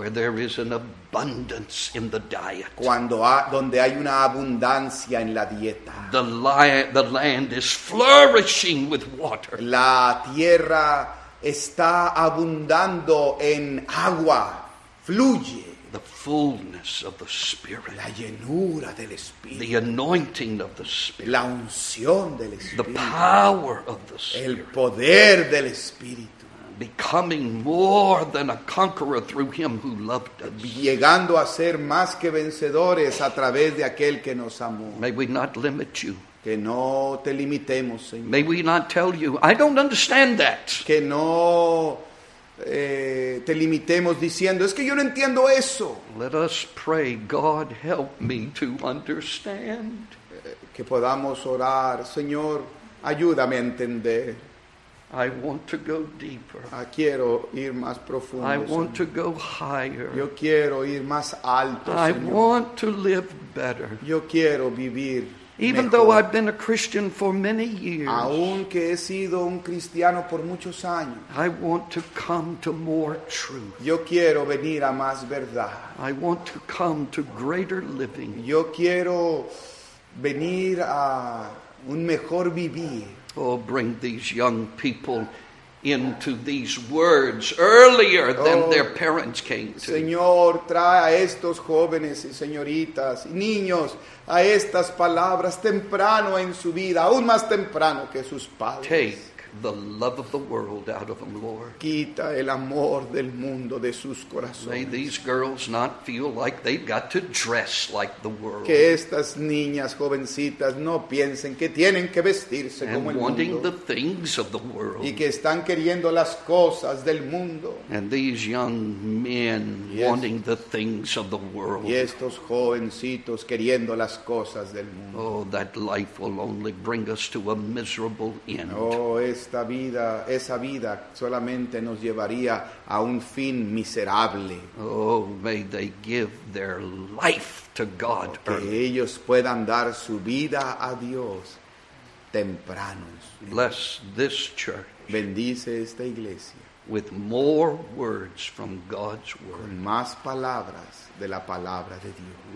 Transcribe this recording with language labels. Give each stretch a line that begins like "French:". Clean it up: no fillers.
English: Where there is an abundance in the diet.
Spanish: Donde hay una abundancia en la dieta.
English: The land is flourishing with water.
Spanish: La tierra está abundando en agua. Fluye.
English: The fullness of the Spirit.
Spanish: La llenura del Espíritu.
English: The anointing of the Spirit.
Spanish: La unción del Espíritu.
English: The power of the Spirit.
Spanish: El poder del Espíritu.
English: Becoming more than a conqueror through him who loved us.
Spanish: Llegando a ser más que vencedores a través de aquel que nos amó.
English: May we not limit you.
Spanish: Que no te limitemos, Señor.
English: May we not tell you, I don't understand that.
Spanish: Que no te limitemos diciendo, es que yo no entiendo eso.
English: Let us pray, God help me to understand.
Spanish: Que podamos orar, Señor, ayúdame a entender.
English: I want to go deeper.
Spanish: Quiero ir más profundo.
English: I want
Spanish: Señor.
English: To go higher.
Spanish: Yo quiero ir más alto, Señor.
English: I want to live better.
Spanish: Yo quiero vivir
English: even
Spanish: mejor.
English: Though I've been a Christian for many years,
Spanish: aunque he sido un cristiano por muchos años,
English: I want to come to more truth.
Spanish: Yo quiero venir a más verdad.
English: I want to come to greater living.
Spanish: Yo quiero venir a un mejor vivir.
English: Oh, bring these young people into these words earlier than their parents came to.
Spanish: Señor, trae a estos jóvenes y señoritas y niños a estas palabras temprano en su vida, aún más temprano que sus padres.
English: Take the love of the world out of them, Lord.
Spanish: Quita el amor del mundo de sus corazones.
English: May these girls not feel like they've got to dress like the world.
Spanish: Que estas niñas jovencitas no piensen que tienen que vestirse como el mundo.
English: And wanting the things of the world.
Spanish: Y que están queriendo las cosas del mundo.
English: And these young men wanting the things of the world.
Spanish: Y estos jovencitos queriendo las cosas del mundo.
English: Oh, that life will only bring us to a miserable end.
Spanish: Oh, esta vida, esa vida solamente nos llevaría a un fin miserable.
English: Oh, may they give their life to God early.
Spanish: Que ellos puedan dar su vida a Dios temprano.
English: Bless this church.
Spanish: Bendice esta iglesia.
English: With more words from God's word.
Spanish: Con más palabras de la palabra de Dios.